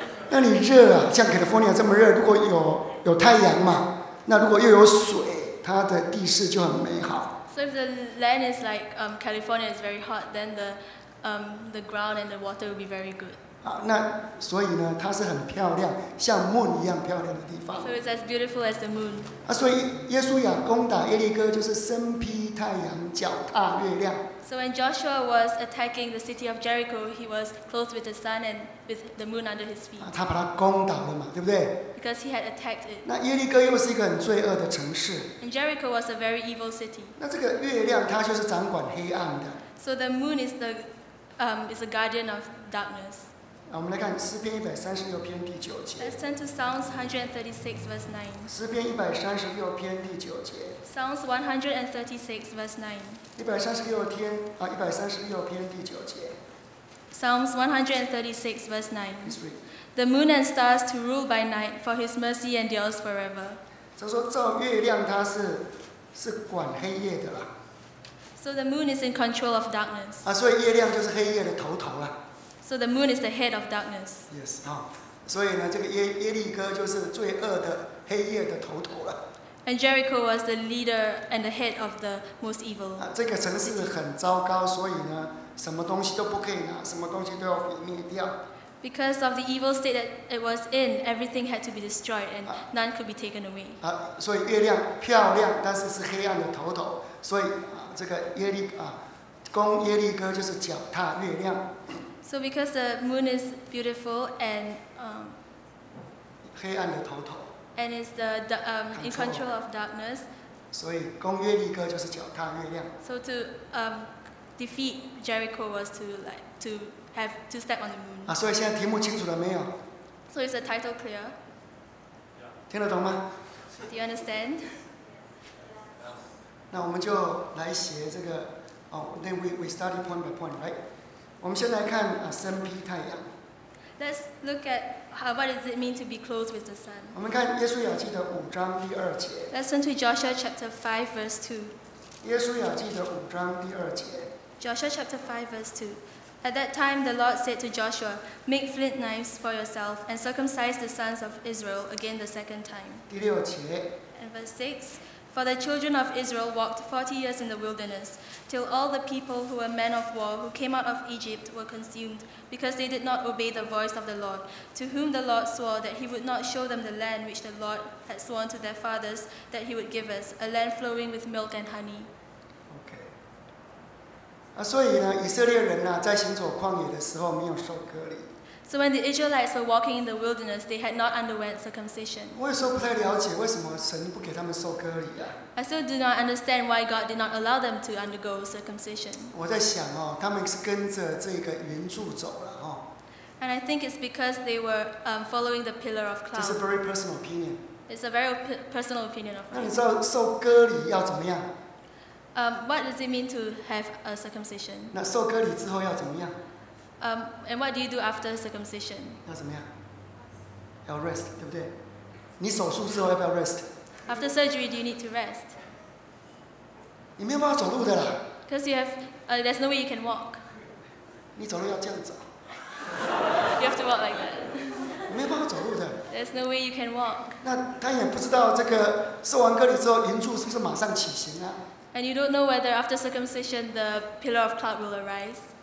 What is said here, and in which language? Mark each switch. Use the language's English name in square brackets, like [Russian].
[Chinese] 那你热像 California 这么热，如果 有太阳嘛，那如果又有水，它的地势就很美好。 [English] So if the land is like California is very hot, then the ground and the water will be very good. [Chinese] 那所以呢，它是很漂亮，像 moon 一样漂亮的地方。 [English] So it's as beautiful as the moon. [Chinese] 所以耶稣亚攻打耶利哥就是身披太阳，脚踏月亮。 [English] So when Joshua was attacking the city of Jericho, he was clothed with the sun and with the moon under his feet. [Chinese] 他把它攻倒了嘛，对不对？ [English] Because he had attacked it. [Chinese] 那耶利哥又是一个很罪恶的城市。 [English] And Jericho was a very evil city. [Chinese] 那这个月亮它就是掌管黑暗的。 [English] So the moon is the is a guardian of darkness. [Chinese] 我们来看诗篇一百三十六篇第九节。 [English] Let's turn to Psalms 136 verse 9. [Chinese] 诗篇一百三十六篇第九节。 [English] Psalms 136 verse 9. [Chinese] 一百三十六篇第九节。 [English] Psalms 136 verse 9. History. The moon and stars to rule by night, for His mercy endures forever. [Chinese] 他说照月亮它是管黑夜的啦。 [English] So the moon is in control of darkness. [Chinese] 所以月亮就是黑夜的头头啦。 [English] So the moon is the head of darkness. Yes. [Chinese] 所以呢，这个耶利哥就是罪恶的黑夜的头头啦。 [English] And Jericho was the leader and the head of the most evil. [Chinese] 这个城市很糟糕，所以呢，什么东西都不可以拿，什么东西都要毁灭掉。 [English] Because of the evil state that it was in, everything had to be destroyed and none could be taken away. [Chinese] 所以月亮漂亮，但是是黑暗的头头。所以这个攻耶利哥就是脚踏月亮。 [English] So because the moon is beautiful and [Chinese] 黑暗的头头。 [English] And is the in control of darkness. [Chinese] 所以攻耶利哥就是脚踏月亮。 [English] So to defeat Jericho was to like to have to step on the moon. [Chinese] 所以现在题目清楚了没有？ [English] So is the title clear? [Chinese] 听得懂吗？ [English] Do you understand? [Chinese] 那我们就来写这个 [English] then we study point by point, right? [Chinese] 我们先来看身披太阳。 [English] Let's look at how, what does it mean to be clothed with the sun. [Chinese] 我们看耶稣雅记的五章第二节。 [English] Let's turn to Joshua chapter 5 verse 2. [Chinese] 耶稣雅记的五章第二节。 [English] Joshua chapter 5 verse 2. At that time the Lord said to Joshua, make flint knives for yourself and circumcise the sons of Israel again the second time. [Chinese] 第六节。 [English] And verse 6. For the children of Israel walked 40 years in the wilderness, till all the people who were men of war who came out of Egypt were consumed, because they did not obey the voice of the Lord, to whom the Lord swore that he would not show them the land which the Lord had sworn to their fathers that he would give us, a land flowing with milk and honey. [Chinese] Okay. 所以呢，以色列人在行走旷野的时候没有受割礼。 [English] So when the Israelites were walking in the wilderness, they had not underwent circumcision. [Chinese] 我有时候不太了解为什么神不给他们受割礼啊。 [English] I still do not understand why God did not allow them to undergo circumcision. [Chinese] 我在想哦，他们是跟着这个云柱走了哦。 [English] And I think it's because they were following the pillar of cloud. It's a very personal opinion. It's a very personal opinion of mine. [Chinese] 那你知道受割礼要怎么样？ [English] What does it mean to have a circumcision? [Chinese] 那受割礼之后要怎么样？ [English] And what do you do after circumcision? [Chinese] 要怎么样？要 rest， 对不对？你手术之后要不要 rest？ [English] After surgery, do you need to rest? [Chinese] 你没有办法走路的啦。 [English] Because you have, there's no way you can walk. [Chinese] 你走路要这样走。 [English] You have to walk like that. [Chinese] 你没有办法走路的。 [English] There's no way you can walk. [Chinese] 那他也不知道这个受完割礼之后，云柱是不是马上起行啊？ [English] And you don't know whether after circumcision the pillar of cloud will arise.